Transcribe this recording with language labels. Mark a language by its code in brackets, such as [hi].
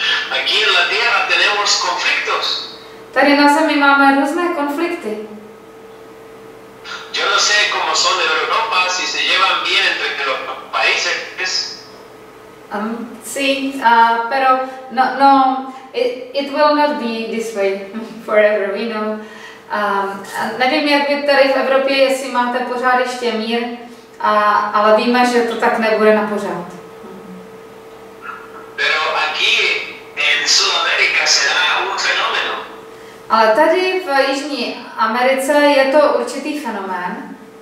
[es] Aquí en la tierra tenemos conflictos. [cs] Tady na zemi máme různé konflikty. [es] Yo no sé cómo son en Europa, si se llevan bien entre los países. Sí, pero no, [en] it will not be this way forever, we know. [cs] Nevím, jak by tady v Evropě, jestli máte pořád ještě mír, ale víme, že to tak nebude na pořád. [es] Pero aquí en Sudamérica será un fenómeno. [cs] Ale tady v Jižní Americe je to určitý fenomén.